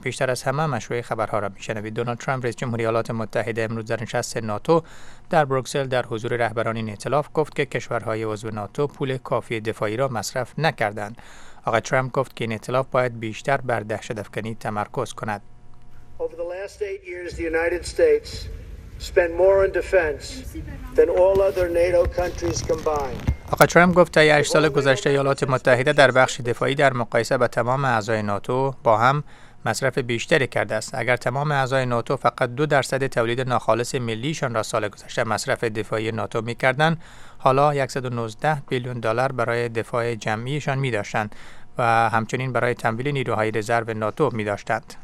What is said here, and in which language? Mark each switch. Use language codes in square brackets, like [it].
[fa] پیشتر از همه مشروع خبرها را میشنوید. دونالد ترامپ رئیس جمهور ایالات متحده امروز در نشست ناتو در بروکسل در حضور رهبران این ائتلاف گفت که کشورهای عضو ناتو پول کافی دفاعی را مصرف نکردند. آقای ترامپ گفت که این ائتلاف باید بیشتر بر دهشت‌افکنی تمرکز کند. [en] Over the last 8 years the United States spent more on defense than all other NATO countries combined. [fa] آقای ترامپ گفت تا 8 سال گذشته ایالات متحده در بخش دفاعی در مقایسه با تمام اعضای ناتو با هم مصرف بیشتری کرده است. اگر تمام اعضای ناتو فقط 2% تولید ناخالص ملیشان را سال گذشته مصرف دفاعی ناتو می کردند، حالا 119 بیلیون دلار برای دفاع جمعیشان می داشتند و همچنین برای تمویل نیروهای رزرو ناتو می داشتند.